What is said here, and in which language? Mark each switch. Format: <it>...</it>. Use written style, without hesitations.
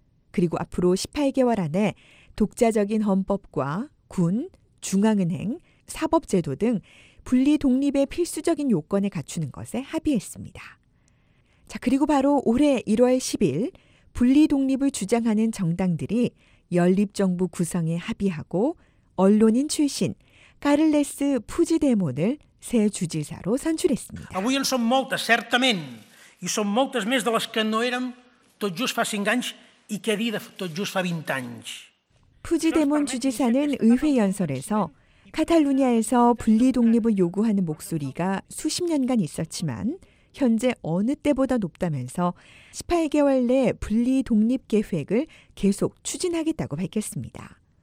<ko>그리고 앞으로 18개월 안에 독자적인 헌법과 군, 중앙은행, 사법제도 등 분리독립의 필수적인 요건을 갖추는 것에 합의했습니다. 자, 그리고 바로 올해 1월 10일 분리독립을 주장하는 정당들이 연립정부 구성에 합의하고 언론인 출신 카를레스 푸지데몬을 새 주지사로 선출했습니다.</ko> <ca>Avui en som moltes, certament, i som moltes més de les que no érem tot just fa 5 anys i que di de tot just fa 20 anys.</ca> <ko>푸지데몬 주지사는 의회 연설에서 카탈루냐에서 분리독립을 요구하는 목소리가 수십 년간 있었지만 현재 어느 때보다 높다면서 18개월 내 분리독립 계획을 계속 추진하겠다고 밝혔습니다.</ko>